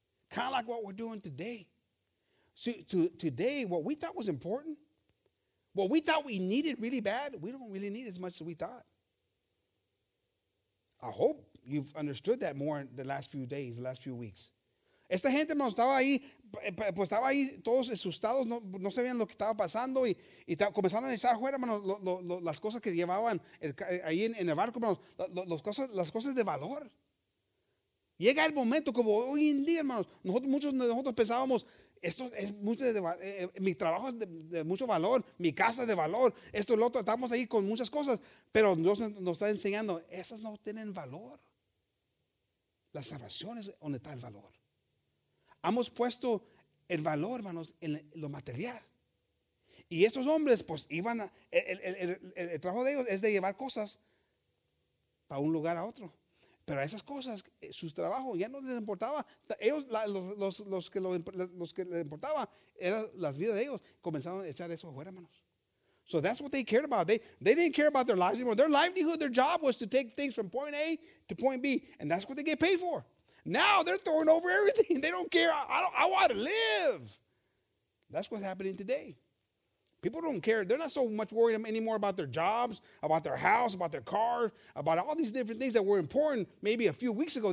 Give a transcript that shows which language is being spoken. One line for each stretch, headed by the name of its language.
English: Kind of like what we're doing today. So today, what we thought was important, what we thought we needed really bad, we don't really need as much as we thought. I hope you've understood that more in the last few days, the last few weeks.
Spanish: Esta gente, hermano, estaba ahí, pues estaba ahí todos asustados, no sabían lo que estaba pasando y comenzaron a echar fuera, hermano, las cosas que llevaban ahí en el barco, hermano, las cosas de valor. Llega el momento, como hoy en día, hermano, nosotros, muchos de nosotros pensábamos, esto es mucho mi trabajo es de mucho valor, mi casa es de valor, esto y lo otro, estamos ahí con muchas cosas, pero Dios nos está enseñando, esas no tienen valor. La salvación es donde está el valor. Hemos puesto el valor, hermanos, en lo material. Y estos hombres, pues, iban a, el trabajo de ellos es de llevar cosas para un lugar a otro. Pero esas cosas, sus trabajos, ya no les importaba. Ellos, los que les importaba eran las vidas de ellos. Comenzaron a echar eso afuera, hermanos.
English: So that's what they cared about. They didn't care about their lives anymore. Their livelihood, their job was to take things from point A to point B. And that's what they get paid for. Now they're throwing over everything. They don't care. I want to live. That's what's happening today. People don't care. They're not so much worried anymore about their jobs, about their house, about their car, about all these different things that were important maybe a few weeks ago.